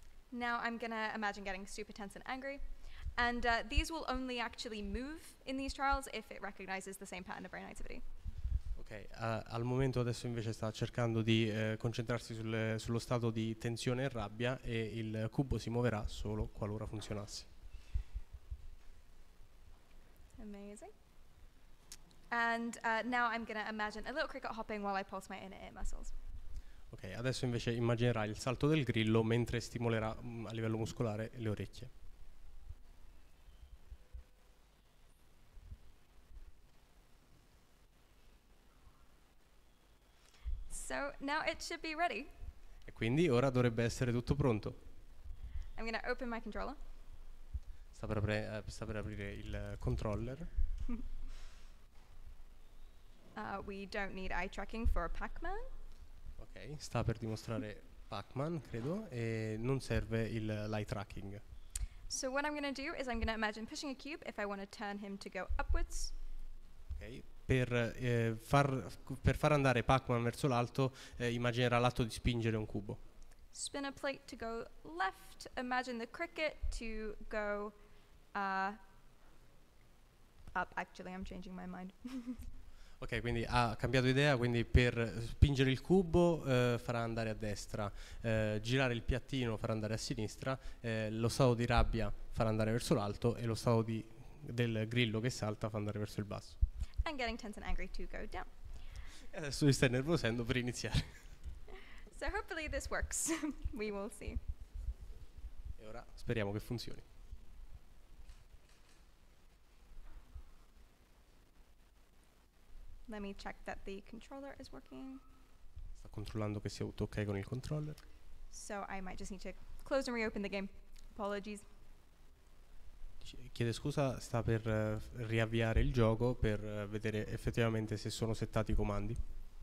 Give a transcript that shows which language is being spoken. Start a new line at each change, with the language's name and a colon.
English: Now I'm gonna imagine getting super tense and angry. And these will only actually move in these trials if it recognizes the same pattern of brain activity.
Italian: Ok, al momento adesso invece sta cercando di concentrarsi sullo stato di tensione e rabbia e il cubo si muoverà solo qualora funzionasse.
English: Amazing. And now I'm gonna imagine a little cricket hopping while I pulse my inner ear muscles.
Italian: Ok, adesso invece immaginerà il salto del grillo mentre stimolerà a livello muscolare le orecchie.
English: So now it should be ready.
Italian: E quindi ora dovrebbe essere tutto pronto.
English: I'm gonna open my controller.
Italian: Sta per aprire il controller.
English: We don't need eye tracking for Pac-Man. Ok,
Italian: Ok, sta per dimostrare Pac-Man, credo, e non serve il light tracking.
English: So what I'm gonna do is I'm gonna imagine pushing a cube if I want to turn him to go upwards. Okay.
Italian: Per far andare Pac-Man verso l'alto, immaginerà l'atto di spingere un cubo.
English: Spin a plate to go left. Imagine the cricket to go up. Actually, I'm changing my mind.
Italian: Ok, quindi ha cambiato idea, quindi per spingere il cubo farà andare a destra, girare il piattino farà andare a sinistra, lo stato di rabbia farà andare verso l'alto e lo stato del grillo che salta farà andare verso il basso.
English: I'm getting tense and angry to go down.
Italian: E adesso mi stai nervosendo per iniziare.
English: So hopefully this works. We will see.
Italian: E ora speriamo che funzioni.
English: Let me check that the controller is working.
Italian: Sta controllando che sia tutto ok con il controller.
English: So I might just need to close and reopen the game. Apologies.
Italian: Chiede scusa, sta per riavviare il gioco per vedere effettivamente se sono settati i comandi.